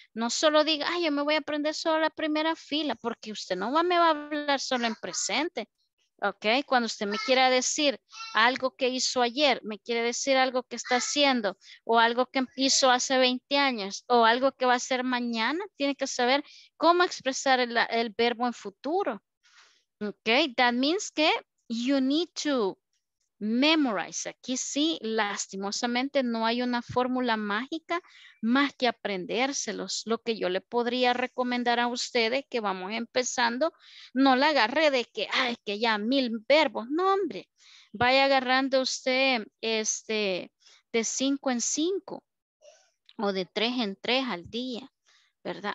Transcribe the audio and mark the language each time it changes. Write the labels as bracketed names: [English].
[Spanish] No solo diga, ay, yo me voy a aprender solo la primera fila, porque usted no va, me va a hablar solo en presente. Ok, cuando usted me quiera decir algo que hizo ayer, me quiere decir algo que está haciendo, o algo que hizo hace 20 años, o algo que va a hacer mañana, tiene que saber cómo expresar el verbo en futuro. [English] Ok, that means [Spanish] que [English] you need to memorize. [Spanish] Aquí sí, lastimosamente, no hay una fórmula mágica más que aprendérselos. Lo que yo le podría recomendar a ustedes, que vamos empezando, no la agarre de que, ay, que ya mil verbos. No, hombre, vaya agarrando usted de 5 en 5 o de 3 en 3 al día. ¿Verdad?